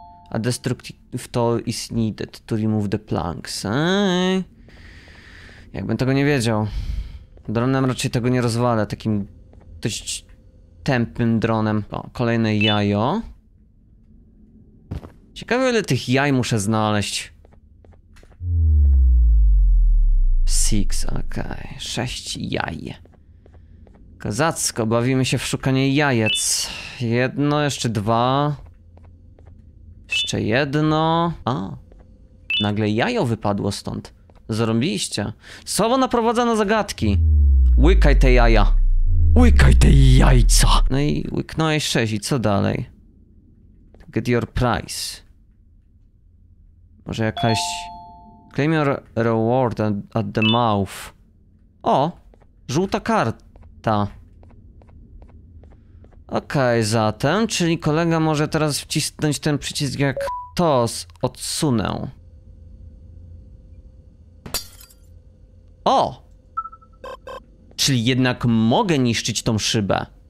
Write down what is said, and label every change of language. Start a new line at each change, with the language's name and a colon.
English: A destructive toll is needed to remove the planks.
Polish: Jakbym tego nie wiedział. Dronem raczej tego nie rozwalę. Takim dość tępym dronem. O, kolejne jajo. Ciekawe, ile tych jaj muszę znaleźć. 6, okej. 6 jaj. Kozacko, bawimy się w szukanie jajec. Jedno, jeszcze dwa. Jeszcze jedno. A, nagle jajo wypadło stąd. Zrobiliście. Słowo naprowadza na zagadki. Łykaj te jaja. Łykaj te jajca. No i łyknąłeś 6, i co dalej?
English: Get your prize.
Polish: Może jakaś...
English: Claim your reward at the mouth.
Polish: O! Żółta karta. Okej, zatem, czyli kolega może teraz wcisnąć ten przycisk jak to odsunę. O! Czyli jednak mogę niszczyć tą szybę.